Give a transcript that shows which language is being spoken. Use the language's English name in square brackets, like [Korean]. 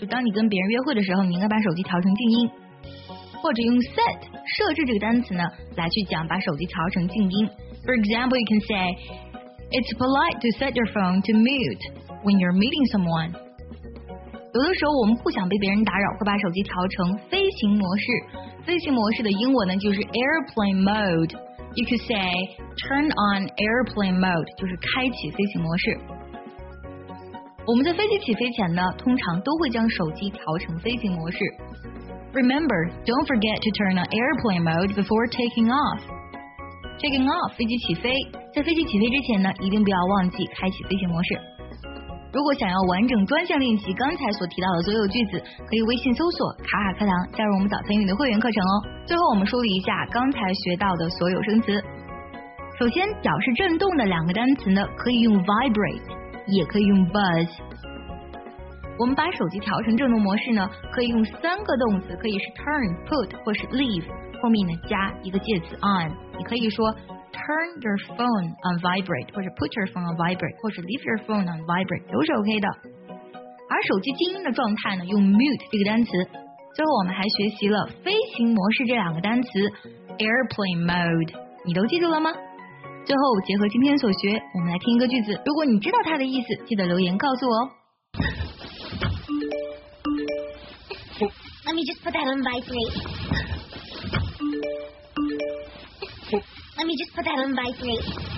[Chinese] 就当你跟别人约会的时候，你应该把手机调成静音。或者用 set 设置这个单词呢来去讲把手机调成静音。 [English] For example, you can say, It's polite to set your phone to mute when you're meeting someone. [Chinese] 有的时候我们不想被别人打扰，会把手机调成飞行模式。飞行模式的英文呢就是 airplane mode. [English] You could say, turn on airplane mode, [Chinese] 就是开启飞行模式。我们在飞机起飞前呢，通常都会将手机调成飞行模式。 [English] Remember, don't forget to turn on airplane mode before taking off. [Chinese] Taking off, 飞机起飞。在飞机起飞之前呢，一定不要忘记开启飞行模式。如果想要完整专项练习刚才所提到的所有句子，可以微信搜索卡卡课堂，加入我们早餐英语的会员课程哦。最后我们梳理一下刚才学到的所有生词。首先，表示震动的两个单词呢，可以用 vibrate， 也可以用 buzz。我们把手机调成震动模式呢，可以用三个动词，可以是 turn, put 或是 leave， 后面呢加一个介词 on。你可以说 [English] turn your phone on vibrate， [Chinese] 或者 [English] put your phone on vibrate， [Chinese] 或者 [English] leave your phone on vibrate， [Chinese] 都是 OK 的。而手机静音的状态呢，用 mute 这个单词。最后我们还学习了飞行模式这两个单词 ，airplane mode， 你都记住了吗？最后结合今天所学，我们来听一个句子。如果你知道它的意思，记得留言告诉我哦。 [English] Let me just put that on vibrate. Let me just put that on vibrate.